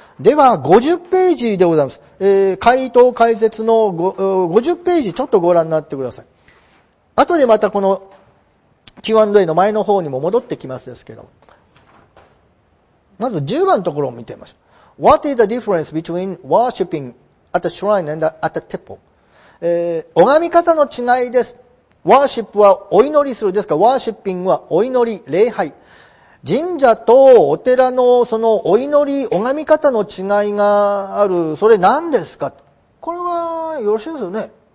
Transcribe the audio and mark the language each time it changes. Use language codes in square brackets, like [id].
[ja] では、50ページでございます。回答解説の50ページちょっとご覧になってください。あとでまたこの Q&A の前の方にも戻ってきますですけど、まず10番のところを見てみましょう。 [en] What is the difference between worshipping at a shrine and at a temple? [ja] 拝み方の違いです。ワーシップはお祈りするですか、ワーシッピングはお祈り、礼拝。神社とお寺のそのお祈り、拝み方の違いがある、それ何ですか、これはよろしいですよね。